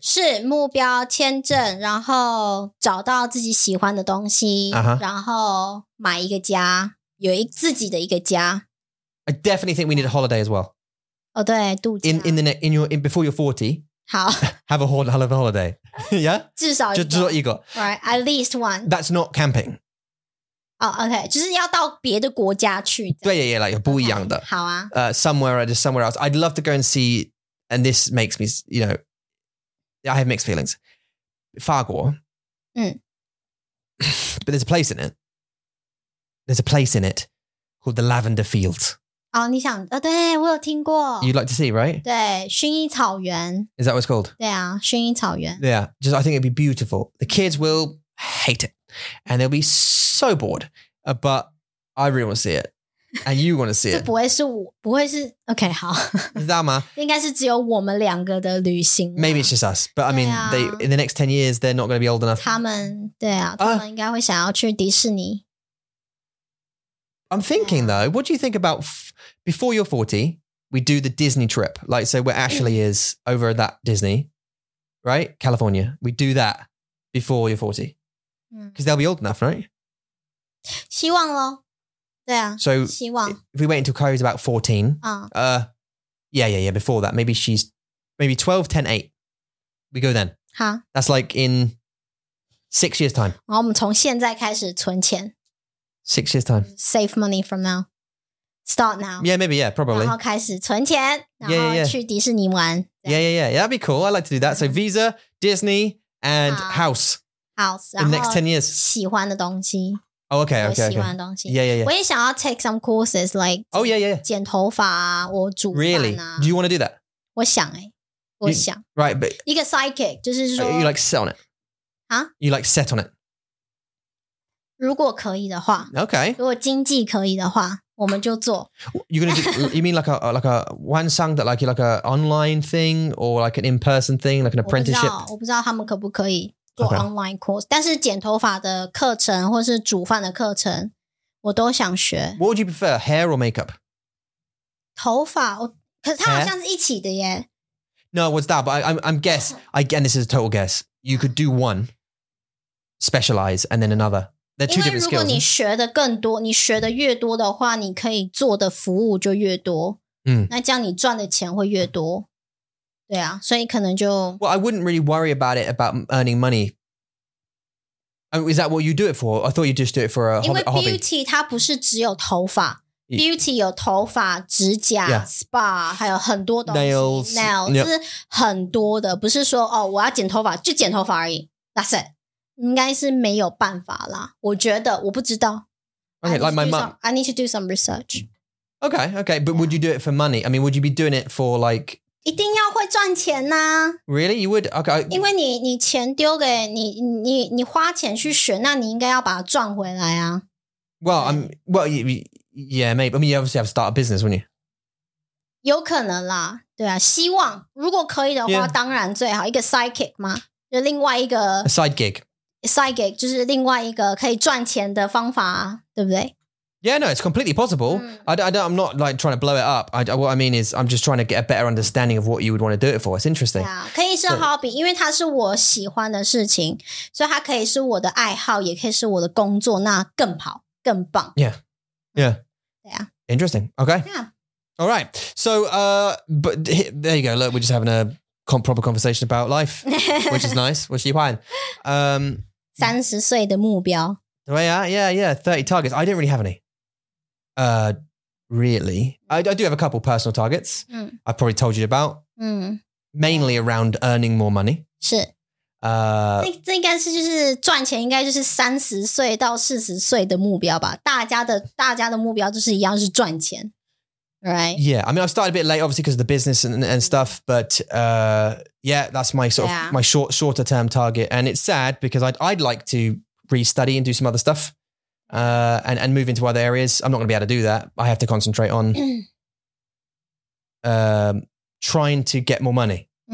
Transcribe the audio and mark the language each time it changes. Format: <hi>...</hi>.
<zh>是目标签证，然后找到自己喜欢的东西，</zh> <en>uh-huh.</en> <zh>然后买一个家，有自己的一个家。</zh> <en>I definitely think we need a holiday as well.</en> <zh>Oh, 对,</zh> <en>in before you're 40, have a whole hell of a holiday. Yeah? 至少一个。 Right, at least one. That's not camping.</en> <zh>Oh, okay. 就是要到别的国家去。对, like 不一样的。 Okay, 好啊。</zh> <en>Somewhere else. I'd love to go and see, and this makes me, you know, I have mixed feelings.</en> <zh>法国。</zh> <en>But there's a place in it called the Lavender Fields.</en> <zh>哦,你想,对,我有听过。</zh> <en>You'd like to see, right?</en> <zh>对,薰衣草原。</zh> <en>Is that what it's called?</en> <zh>对啊,薰衣草原。</zh> <en>Yeah, just I think it'd be beautiful. The kids will hate it. And they'll be so bored. But I really want to see it. And you want to see it.</en> <zh>这不会是我,不会是, okay, 好。你知道吗? 应该是只有我们两个的旅行。</zh> <en>Maybe it's just us. But I mean, they in the next 10 years, they're not going to be old enough.</en> <zh>他们应该会想要去迪士尼。</zh> <en>I'm thinking though, what do you think about before you're 40, we do the Disney trip, like so where Ashley is over at that Disney, right? California. We do that before you're 40. Because they'll be old enough, right?</en> <zh>希望咯。对啊。</zh> <en>So,</en> <zh>希望。</zh> <en>If we wait until Kairi's about 14, yeah, before that, maybe she's, maybe 12, 10, 8. We go then. Huh? That's like in 6 years' time.</en> <zh>然后我们从现在开始存钱。</zh> <en>6 years' time. Save money from now. Start now. Yeah, maybe, yeah, probably.</en> <zh>然后开始存钱。然后去迪士尼玩。</zh> <en>Yeah. That'd be cool. I like to do that. So Visa, Disney, and House. House. In the next 10 years.</en> <zh>喜欢的东西。</zh> <en>Oh, okay.</en> <zh>喜欢的东西。</zh> <en>Yeah. 我也想要 take some courses like... Oh, yeah.</en> <zh>剪头发啊，我煮饭啊。</zh> <en>Really? Do you want to do that?</en> <zh>我想诶。我想。</zh> <en>Right, but...</en> <zh>一个 psychic, 就是说...</zh> <en>You like set on it? Huh? You like set on it?</en> <zh>如果可以的话。</zh> <en>Okay.</en> <zh>如果经济可以的话。我们就做。</zh> <en>You're gonna do, you mean like a 晚上的 like an online thing or like an in-person thing, like an apprenticeship?</en> <zh>我不知道他们可不可以做 online course,、 okay. 但是剪头发的课程或是煮饭的课程我都想学。</zh> <en>What would you prefer, hair or makeup?</en> <zh>头发可是它好像是一起的耶。</zh> <en>No, what's that? But I'm guess, again, this is a total guess. You could do one, specialize, and then another. They're two different skills.</en> <zh>因为如果你学的更多，你学的越多的话，你可以做的服务就越多。嗯，那这样你赚的钱会越多。对啊，所以可能就</zh> <en>Well, I wouldn't really worry about it about earning money. Is that what you do it for? I thought you just do it for a hobby.</en> <zh>因为 beauty 它不是只有头发 ，beauty 有头发、指甲、spa， 还有很多东西</zh> <en>，nails</en> <zh>是很多的，不是说哦，我要剪头发就剪头发而已。</zh> <en>That's it.</en> <zh>应该是没有办法啦，我觉得我不知道。</zh> <en>Okay, like my mom. I need to do some research. Okay, but would you do it for money? I mean, would you be doing it for like...</en> <zh>一定要会赚钱呐。</zh> <en>Really? You would? Okay.</en> <zh>因为你钱丢给你花钱去学，那你应该要把它赚回来啊。</zh> <en>Well, yeah, maybe. I mean, you obviously have to start a business, wouldn't you?</en> <zh>有可能啦，对啊，希望，如果可以的话，当然最好，一个 sidekick 嘛，就另外一个。</zh> <en>A side gig.</en> <zh>Side gig 就是另外一个可以赚钱的方法，对不对</zh> <en>？Yeah, no, it's completely possible.、Mm. I'm not like trying to blow it up. What I mean is, I'm just trying to get a better understanding of what you would want to do it for. It's interesting.</en> <zh>Yeah, 可以是 hobby，因为它是我喜欢的事情，所以它可以是我的爱好，也可以是我的工作，那更好，更棒。</zh> <en>Yeah, yeah, yeah. Interesting. Okay. Yeah. All right. So, but there you go. Look, we're just having a. Proper conversation about life, which is nice. What's your plan?</en> <zh>30 岁的目标。</zh> <en>对啊, yeah, 30 targets. I don't really have any. Really. I do have a couple personal targets. I've probably told you about. Mainly around earning more money.</en> <zh>是。这应该是就是赚钱应该就是30岁到40岁的目标吧。大家的目标就是一样是赚钱。</zh> <en>Right. Yeah. I mean, I started a bit late, obviously, because of the business and stuff. But yeah, that's my sort of my shorter term target. And it's sad because I'd like to restudy and do some other stuff and move into other areas. I'm not going to be able to do that. I have to concentrate on trying to get more money.</en>